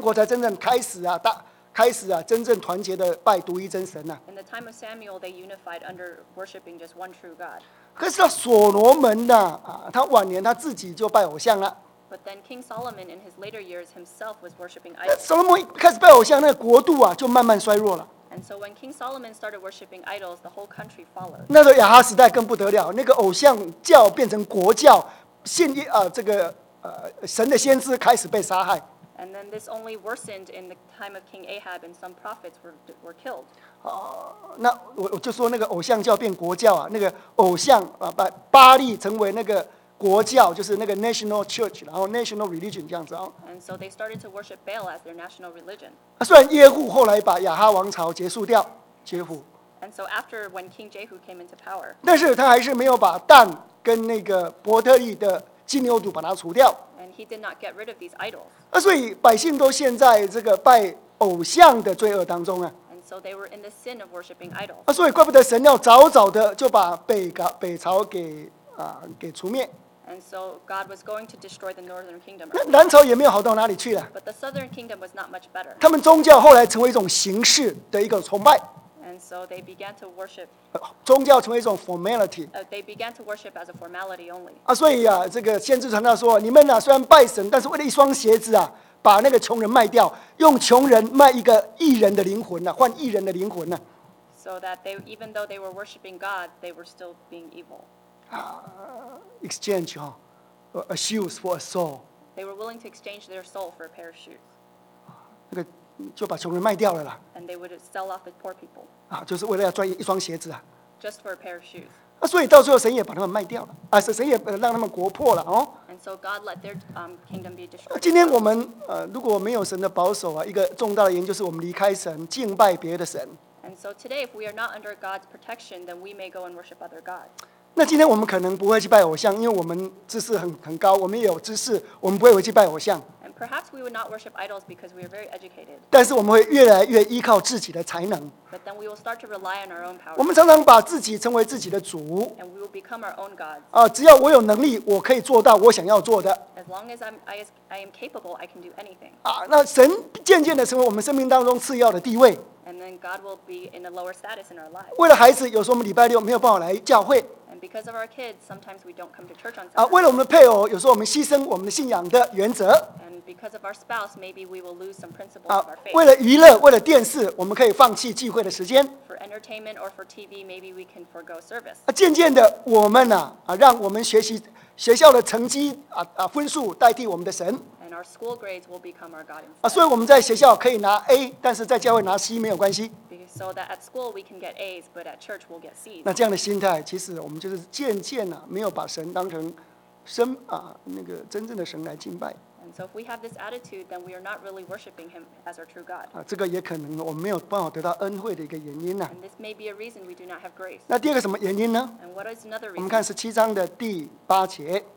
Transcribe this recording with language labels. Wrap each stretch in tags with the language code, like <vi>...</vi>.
<zh>从撒母耳开始，他把那个四世时代那些不好的神统统去掉了，全国才真正开始啊！大 开始啊，真正团结的拜独一真神呐、啊。</zh> <en>In the time of Samuel, they unified under worshiping just one true God.</en> <zh>可是所罗门呢、啊、他晚年他自己就拜偶像了。</zh> <en>But then King Solomon in his later years himself was worshiping idols.</en> <zh>所罗门开始拜偶像，那个国度啊就慢慢衰弱了。</zh> <en>And so when King Solomon started worshiping idols, the whole country followed.</en> <zh>那个亚哈时代更不得了，那个偶像教变成国教，信耶啊这个神的先知开始被杀害。</zh> <en>And then this only worsened in the time of King Ahab, and some prophets were killed.</en> <zh>那我就说那个偶像教变国教啊，那个偶像啊拜巴利成为那个。国教就是那个</zh> <en>national church，</en> <zh>然后</zh> <en>national religion</en> <zh>这样子啊。</zh> <en>And so they started to worship Baal as their national religion.</en> <zh>虽然耶户后来把亚哈王朝结束掉，耶户。</zh> <en>And so after when King Jehu came into power.</en> <zh>但是他还是没有把但跟那个伯特利的金牛犊把它除掉。</zh> <en>And he did not get rid of these idols.</en> <zh>所以百姓都陷在这个拜偶像的罪恶当中啊。</zh> <en>And so they were in the sin of worshiping idols.</en> <zh>所以怪不得神要早早的就把北朝给。给除灭。</zh> <en>And so God was going to destroy the northern kingdom.</en> <zh>那南朝也没有好到哪里去了。</zh> <en>But the southern kingdom was not much better.</en> <zh>他们宗教后来成为一种形式的一个崇拜。</zh> <en>And so they began to worship.</en> <zh>宗教成为一种 formality.</zh> <en>They began to worship as a formality only.</en> <zh>所以啊，这个先知传道说，你们呐、啊、虽然拜神，但是为了一双鞋子啊，把那个穷人卖掉，用穷人卖一个义人的灵魂呐、啊，换义人的灵魂呐、啊。</zh> <en>So that they, even though they were worshiping God, they were still being evil. Exchange a shoes for a soul. They were willing to exchange their soul for a pair of shoes.</en> <zh>那个就把穷人卖掉了啦。</zh> <en>And they would sell off the poor people.</en> <zh>啊，就是为了要赚一双鞋子啊。</zh> <en>Just for a pair of shoes.</en> <zh>啊，所以到最后神也把他们卖掉了啊，神也让他们国破了哦。</zh> <en>And so God let their kingdom be destroyed.</en> <zh>今天我们如果没有神的保守啊，一个重大的原因就是我们离开神，敬拜别的神。</zh> <en>And so today, if we are not under God's protection, then we may go and worship other gods.</en> <zh>那今天我们可能不会去拜偶像，因为我们知识 很高，我们也有知识，我们不会回去拜偶像。</zh> <en>And perhaps we would not worship idols because we are very educated.</en> <zh>但是我们会越来越依靠自己的才能。</zh> <en>But then we will start to rely on our own power.</en> <zh>我们常常把自己成为自己的主。</zh> <en>And we will become our own gods.</en> <zh>只要我有能力，我可以做到我想要做的。</zh> <en>As long as I am capable, I can do anything.</en> <zh>那神渐渐的成为我们生命当中次要的地位。</zh> <en>And then God will be in a lower status in our lives.</en> <zh>为了孩子，有时候我们礼拜六没有办法来教会。</zh> <en>And because of our kids, sometimes we don't come to church on Sunday.</en> <zh>为了我们的配偶，有时候我们牺牲我们的信仰的原则。</zh> <en>And because of our spouse, maybe we will lose some principles of our faith.</en> <zh>为了娱乐，为了电视，我们可以放弃聚会的时间。</zh> <en>For entertainment or for TV, maybe we can forgo service.</en> <zh>渐渐的，我们呢、让我们学习学校的成绩分数代替我们的神。</zh> <en>And our school grades will become our God.</en> <zh>所以我们在学校可以拿 A， 但是在教会拿 C 没有关系。</zh> <en>So that at school we can get A's, but at church we'll get C's.</en> <zh>那这样的心态，其实我们就是渐渐呢、没有把神当成神那个真正的神来敬拜。</zh> <en>And so if we have this attitude, then we are not really worshiping Him as our true God.</en> <zh>这个也可能我们没有办法得到恩惠的一个原因呢、</zh> <en>And this may be a reason we do not have grace.</en> <zh>那第二个什么原因呢</zh> <en>？And what is another reason?</en> <zh>我们看十七章的第八节。</zh>